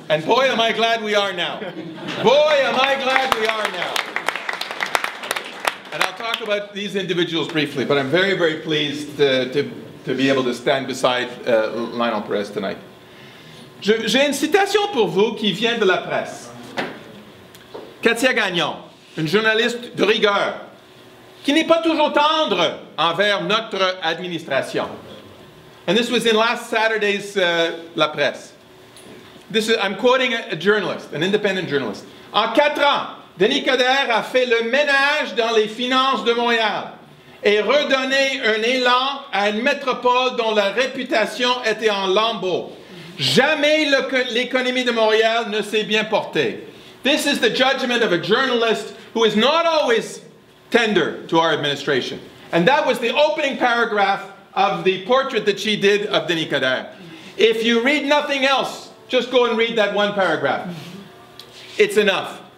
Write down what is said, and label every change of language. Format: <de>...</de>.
<en>And boy, am I glad we are now. Boy, am I glad we are now. And I'll talk about these individuals briefly, but I'm very, very pleased to be able to stand beside Lionel Perez tonight.</en> <fr>J'ai une citation pour vous qui vient de la presse. Katia Gagnon, une journaliste de rigueur, qui n'est pas toujours tendre envers notre administration.</fr> <en>And this was in last Saturday's La Presse. I'm quoting a journalist, an independent journalist.</en> <fr>En quatre ans, Denis Coderre a fait le ménage dans les finances de Montréal et redonné un élan à une métropole dont la réputation était en lambeaux. Jamais l'économie de Montréal ne s'est bien portée.</fr> <en>This is the judgment of a journalist who is not always tender to our administration. And that was the opening paragraph of the portrait that she did of Denis Coderre. If you read nothing else, just go and read that one paragraph. It's enough.</en>